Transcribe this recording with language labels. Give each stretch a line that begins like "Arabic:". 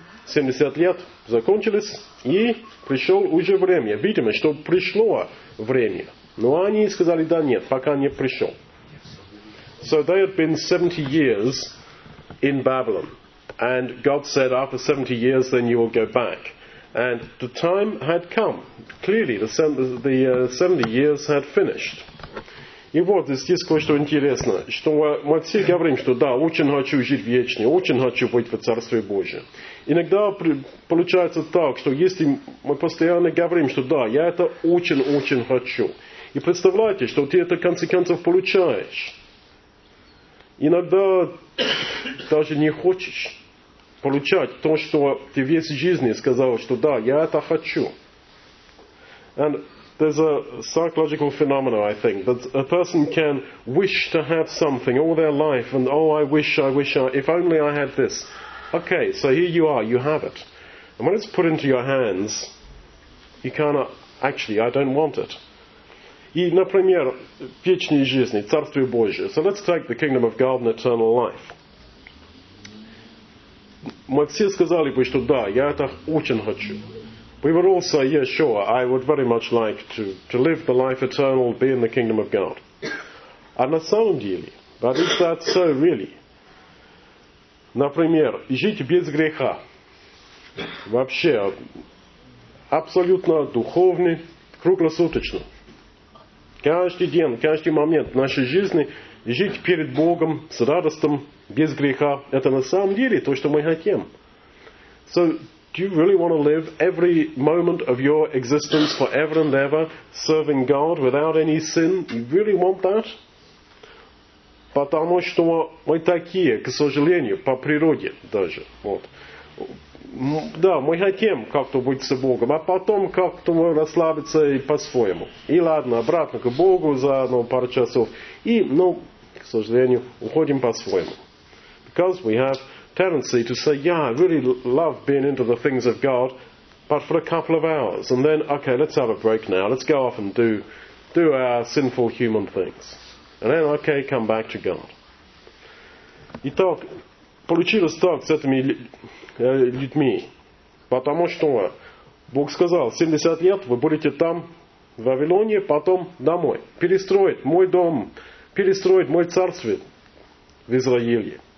Russian: 70 лет закончились, и пришел уже время. Видимо, что пришло время. Но они сказали, да нет, пока не пришел.
English: So they had been 70 years in Babylon. And God said, after 70 years, then you will go back. And the time had come. Clearly, the 70 years had finished.
Russian: И вот здесь кое-что интересно, что мы все говорим, что да, очень хочу жить вечно, очень хочу быть в Царстве Божьем. Иногда получается так, что если мы постоянно говорим, что да, я это очень-очень хочу. И представляете, что ты это в конце концов получаешь. Иногда даже не хочешь получать то, что ты весь жизни сказал, что да, я это хочу.
English: And there's a psychological phenomenon, I think, that a person can wish to have something all their life, and oh, I wish, if only I had this. Okay, so here you are, you have it. And when it's put into your hands, you kind of, actually, I don't want it.
Russian: И, например, вечная жизнь, Царствие Божие.
English: So let's take the kingdom of God and eternal life.
Russian: Мы все сказали бы, что да, я это очень хочу.
English: We would all say, yeah, sure, I would very much like to live the life eternal, be in the kingdom of God. And
Russian: на самом деле,
English: but is that so really?
Russian: Например, жить без греха. Вообще, абсолютно духовный, круглосуточно. Каждый день, каждый момент нашей жизни жить перед Богом с радостью, без греха. Это на самом деле то, что мы хотим.
English: So, do you really want to live every moment of your existence forever and ever serving God without any sin? You really want that?
Russian: Потому что мы такие, к сожалению, по природе даже. Вот. Да, мы хотим как-то быть с Богом, а потом как-то расслабиться и по-своему. И ладно, обратно к Богу за одну пару часов. И, ну, к сожалению, уходим по-своему.
English: Because we have tendency to say, yeah, I really love being into the things of God, but for a couple of hours. And then, okay, let's have a break now. Let's go off and do our sinful human things. And then, okay, come back to God.
Russian: Итак, получилось так с этими людьми, потому что Бог сказал, 70 лет вы будете там, в Вавилоне, потом домой. Перестроить мой дом, перестроить мой царствие в Израиле.